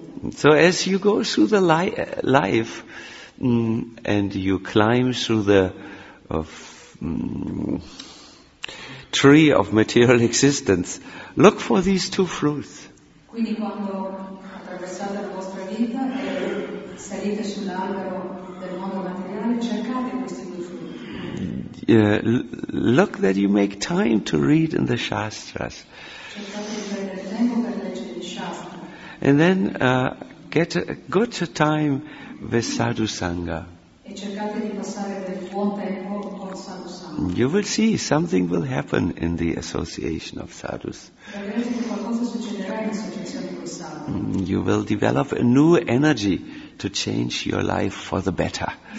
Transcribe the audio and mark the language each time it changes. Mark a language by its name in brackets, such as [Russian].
[English] So as you go through the life and you climb through the tree of material existence, look for these two fruits. [Italian] Quindi quando attraversate la vostra vita e salite sull'albero del mondo materiale, cercate questi due frutti. [English] Look that you make time to read in the Shastras. [Italian] Cercate di prendere tempo per leggere i Shastra. [English] And then get a good time with Sadhu Sangha. [Italian] E cercate di passare del buon tempo con Sadhu Sangha. [English] You will see something will happen in the association of sadhus. You will develop a new energy to change your life for the better.